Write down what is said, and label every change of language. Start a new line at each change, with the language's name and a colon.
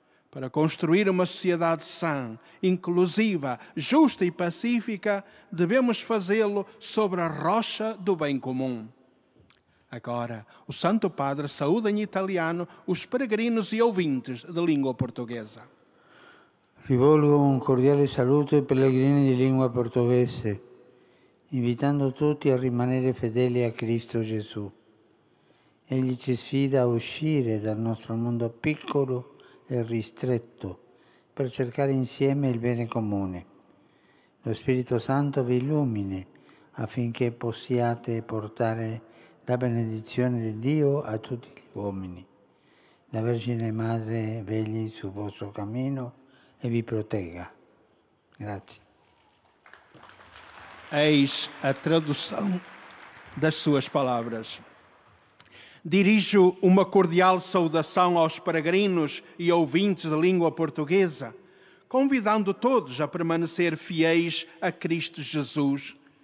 Portuguese: Para construir uma sociedade sã, inclusiva, justa e pacífica, devemos fazê-lo sobre a rocha do bem comum. Agora, o Santo Padre saúda em italiano os peregrinos e ouvintes de língua portuguesa.
Italian: Rivolgo um cordiale saluto ai pellegrini di lingua portoghese, invitando tutti a rimanere fedeli a Cristo Gesù. Egli ci sfida a uscire dal nostro mondo piccolo e ristretto per cercare insieme il bene comune. Lo Spirito Santo vi illumini affinché possiate portare la benedizione di Dio a tutti gli uomini. La Vergine Madre vegli sul vostro cammino e vi protegga. Grazie.
Portuguese: Eis a tradução das suas palavras. Dirijo uma cordial saudação aos peregrinos e ouvintes de língua portuguesa, convidando todos a permanecer fiéis a Cristo Jesus.